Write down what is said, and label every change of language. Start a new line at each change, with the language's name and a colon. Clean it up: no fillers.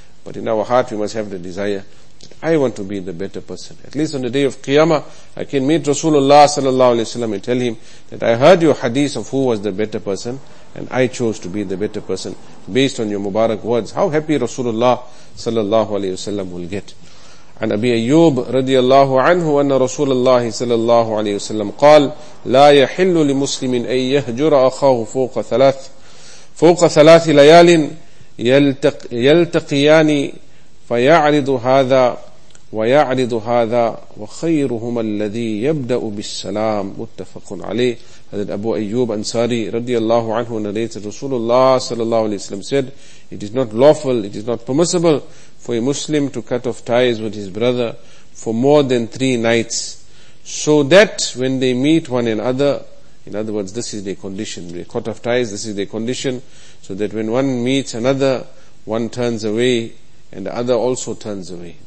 English: But in our heart we must have the desire that I want to be the better person. At least on the day of Qiyamah, I can meet Rasulullah sallallahu alayhi wa sallam and tell him that I heard your hadith of who was the better person, and I chose to be the better person based on your Mubarak words. How happy Rasulullah sallallahu alayhi wa sallam will get.
Arabic: عن أبي أيوب رضي الله عنه أن رسول الله صلى الله عليه وسلم قال لا يحل لمسلم أن يهجر أخاه فوق ثلاث ليال يلتقيان فيعرض هذا ويعرض هذا وخيرهما الذي يبدأ بالسلام متفق عليه. هذا أبو أيوب أنصاري رضي الله عنه
English: narrated
Arabic: رسول الله صلى الله عليه وسلم
English: said it is not lawful, it is not permissible for a Muslim to cut off ties with his brother for more than 3 nights, so that when they meet one another, in other words, this is their condition, they cut off ties, this is their condition, so that when one meets another, one turns away and the other also turns away.